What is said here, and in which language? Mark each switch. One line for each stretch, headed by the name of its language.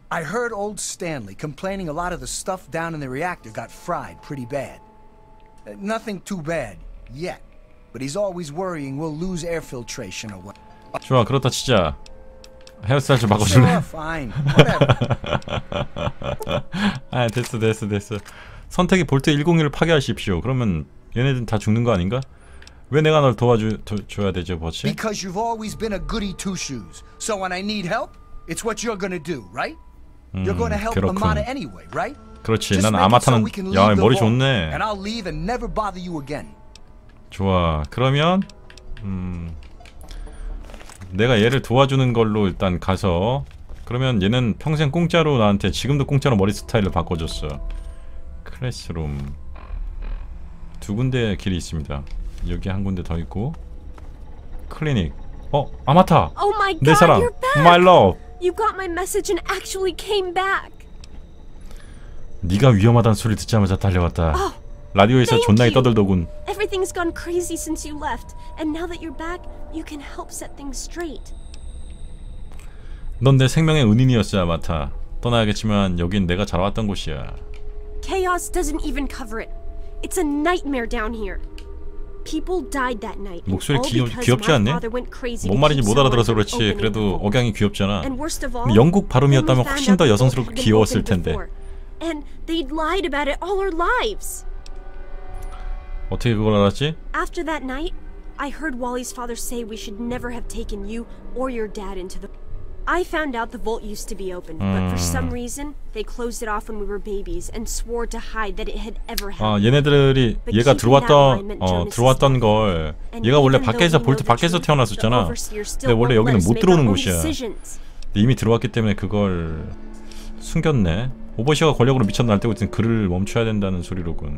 English: I heard old Stanley complaining a lot of the stuff down in the reactor got fried pretty bad. Nothing too bad yet, but he's always worrying we'll lose air filtration or what.
Korean: 좋아, 그렇다 치자. 헤어스타일 좀 바꿔줄래?
English: Sure, fine, whatever.
Korean: 아, 됐어. 선택이 볼트 101을 파괴하십시오. 그러면 얘네들 다 죽는 거 아닌가? 왜 내가 널 도와줘야 되죠, 버치?
English: Because you've always been a goody two-shoes. So when I need help, it's what you're gonna do, right? You're gonna help Amata anyway, right?
Korean: 그렇지. 난 아마타는 야, 머리 좋네.
English: And I'll leave and never bother you again.
Korean: 좋아. 그러면 내가 얘를 도와주는 걸로 일단 가서, 그러면 얘는 평생 공짜로 나한테, 지금도 공짜로 머리 스타일을 바꿔줬어. 클래스룸 두 군데 길이 있습니다. 여기 한 군데 더 있고 클리닉. 아마타.
English: Oh my god.
Korean: 내 사랑.
English: You're back. My love. You got my message and actually came back.
Korean: 네가 위험하다는 소리 듣자마자 달려왔다. 라디오에서 존나게 떠들더군.
English: Everything's gone crazy since you left and now that you're back, you can help set things straight.
Korean: 넌 내 생명의 은인이었어, 아마타. 떠나야겠지만 여긴 내가 잘 왔던 곳이야.
English: Chaos doesn't even cover it. It's a nightmare down here. People died that night.
Korean: 목소리 귀엽지 않네? 뭔 말인지 못 알아들어서 그렇지. 그래도 억양이 귀엽잖아. 영국 발음이었다면 훨씬 더 여성스럽고 귀여웠을 텐데.
English: And they'd lied about it all our lives.
Korean: 어떻게 그걸 알았지?
English: After that night, I heard Wally's father say we should never have taken you or your dad into the. I found out the vault used to be open, but for some reason they closed it off when we were babies and swore to hide that it had ever happened.
Korean: 얘네들이 얘가 들어왔던 걸, 얘가 원래 밖에서 볼트 밖에서 태어났었잖아. 근데 원래 여기는 못 들어오는 곳이야. 근데 이미 들어왔기 때문에 그걸 숨겼네. 오버시어가 권력으로 미쳐 날뛰고 있으니 그를 멈춰야 된다는 소리로군.